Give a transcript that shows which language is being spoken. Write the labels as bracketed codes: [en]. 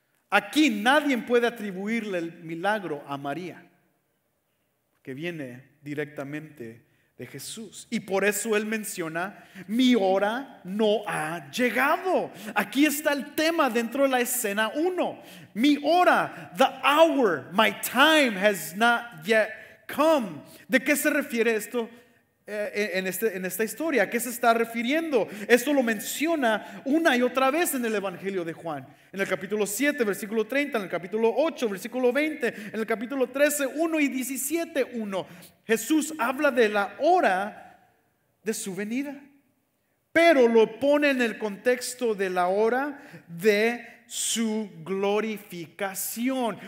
[es] Aquí nadie puede atribuirle el milagro a María, que viene directamente de Jesús. Y por eso él menciona: mi hora no ha llegado. Aquí está el tema dentro de la escena 1. Mi hora, [en] the hour, my time has not yet come. [es] ¿De qué se refiere esto en esta historia? ¿A qué se está refiriendo? Esto lo menciona una y otra vez en el Evangelio de Juan. En el capítulo 7, versículo 30, en el capítulo 8, versículo 20, en el capítulo 13, 1 y 17, 1. Jesús habla de la hora de su venida, pero lo pone en el contexto de la hora de su glorificación.